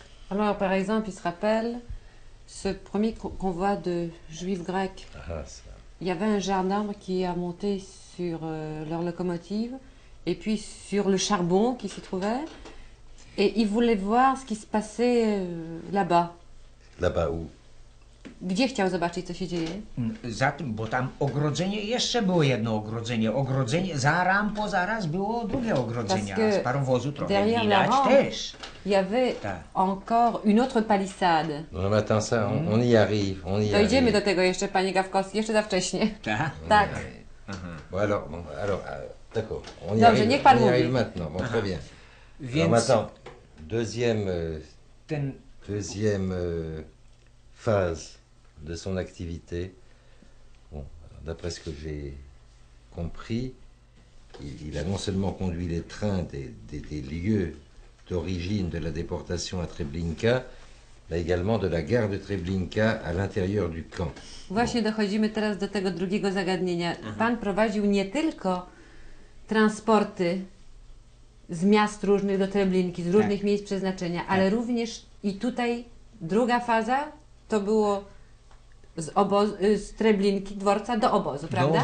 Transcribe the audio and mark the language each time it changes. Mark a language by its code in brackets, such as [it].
[fr] Alors, par exemple, il se rappelle ce premier convoi de juifs grecs. Il y avait un gendarme qui a monté sur leur locomotive et puis sur le charbon qui s'y trouvait. Et il voulait voir ce qui se passait là-bas. Là-bas où? [pl] Gdzie chciał zobaczyć, co się dzieje? Za tym, bo tam ogrodzenie, jeszcze było jedno ogrodzenie. Ogrodzenie, za rampą, zaraz było drugie ogrodzenie. A z parowozu trochę widać też. [fr] Il y avait encore une autre palissade. No, mais attends ça, on y arrive, on y arrive. [pl] Dojdziemy do tego jeszcze, panie Gawkowski, jeszcze za wcześnie. Tak? Tak. [fr] Bon, alors, d'accord. On y arrive. [pl] Dobrze, niech pan mówi. [fr] On y arrive maintenant, bon, très bien. [pl] Więc... [fr] Alors, attends, deuxième... phase de son activité. Bon, d'après ce que j'ai compris, il a non seulement conduit les trains des lieux d'origine de la déportation à Treblinka, mais également de la gare de Treblinka à l'intérieur du camp. [pl] Właśnie dochodzimy teraz do tego drugiego zagadnienia. Pan prowadził nie tylko transporty z miast różnych do Treblinki, z różnych miejsc przeznaczenia, ale również i tutaj druga faza to było z Treblinki, dworca do obozu, prawda?